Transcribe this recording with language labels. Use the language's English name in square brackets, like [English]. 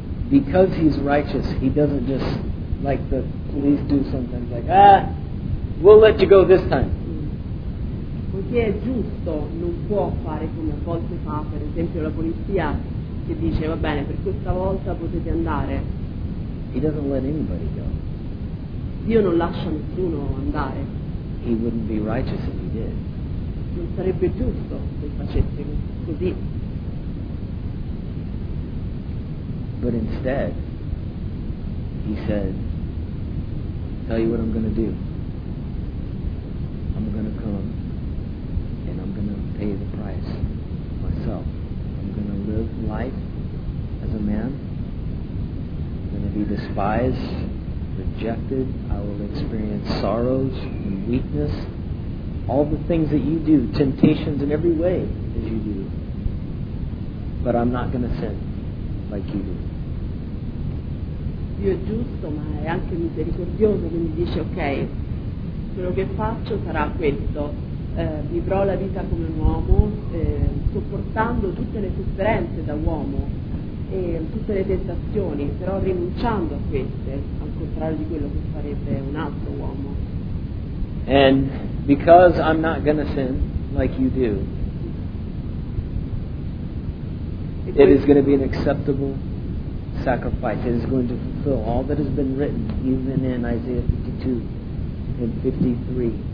[English] Because he's righteous, he doesn't just, like the police do sometimes, like, ah, we'll let you go this time. [Italian] Perché è giusto, non può fare come a volte fa, per esempio, la polizia, che dice, va bene, per questa volta potete andare. [English] He doesn't let anybody go. [Italian] Dio non lascia nessuno andare. [English] He wouldn't be righteous if he did. [Italian] Non sarebbe giusto se facesse così. [English] But instead, he said, tell you what I'm going to do. I'm going to come and I'm going to pay the price myself. I'm going to live life as a man. I'm going to be despised, rejected. I will experience sorrows and weakness. All the things that you do, temptations in every way as you do. But I'm not going to sin like you do. [Italian] Dio è giusto, ma è anche misericordioso, quindi dice, ok, quello che faccio sarà questo, vivrò la vita come un uomo, sopportando tutte le sofferenze da uomo e tutte le tentazioni, però rinunciando a queste, al contrario di quello che farebbe un altro uomo. [English] And because I'm not gonna sin like you do, it is gonna be an acceptable sacrifice. It is going to fulfill all that has been written, even in Isaiah 52 and 53.